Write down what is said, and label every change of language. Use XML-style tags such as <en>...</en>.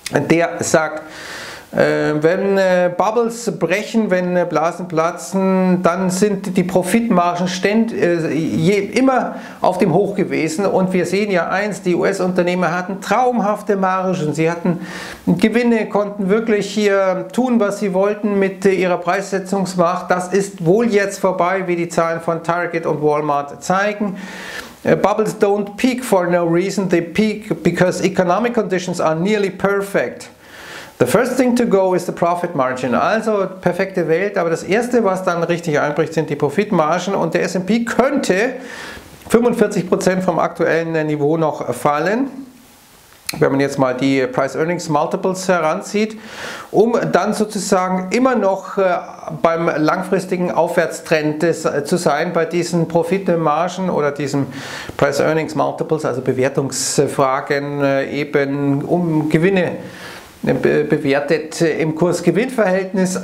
<de>Der sagt, wenn Bubbles brechen, wenn Blasen platzen, dann sind die Profitmargen immer auf dem Hoch gewesen. Und wir sehen ja eins, die US-Unternehmer hatten traumhafte Margen. Sie hatten Gewinne, konnten wirklich hier tun, was sie wollten mit ihrer Preissetzungsmacht. Das ist wohl jetzt vorbei, wie die Zahlen von Target und Walmart zeigen.</de> <en>Bubbles don't peak for no reason, they peak because economic conditions are nearly perfect. The first thing to go is the profit margin.</en> <de>Also perfekte Welt, aber das erste, was dann richtig einbricht, sind die Profitmargen und der S&P könnte 45% vom aktuellen Niveau noch fallen. Wenn man jetzt mal die Price-Earnings-Multiples heranzieht, um dann sozusagen immer noch beim langfristigen Aufwärtstrend zu sein bei diesen Profitmargen oder diesen Price-Earnings-Multiples, also Bewertungsfragen, eben um Gewinne bewertet im Kurs-Gewinn-Verhältnis.</de>